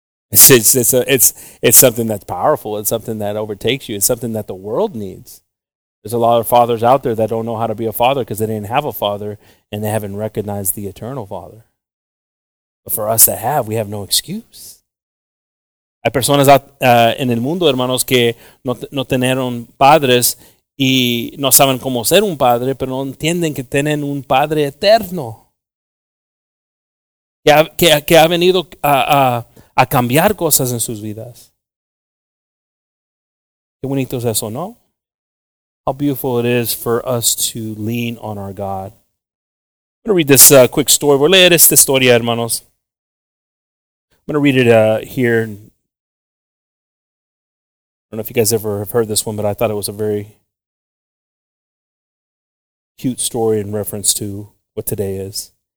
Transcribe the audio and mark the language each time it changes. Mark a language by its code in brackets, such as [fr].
[en] It's something that's powerful. It's something that overtakes you. It's something that the world needs. There's a lot of fathers out there that don't know how to be a father because they didn't have a father and they haven't recognized the eternal father. But for us that have, we have no excuse. [es] Hay personas en el mundo, hermanos, que no tenieron padres y no saben cómo ser un padre, pero no entienden que tienen un padre eterno. Que ha venido a cambiar cosas en sus vidas. Qué bonito es eso, ¿no? [en] How beautiful it is for us to lean on our God. I'm going to read this quick story. [es] Voy a leer esta historia, hermanos. [en] I'm going to read it here. I don't know if you guys ever have heard this one, but I thought it was a very cute story in reference to what today is.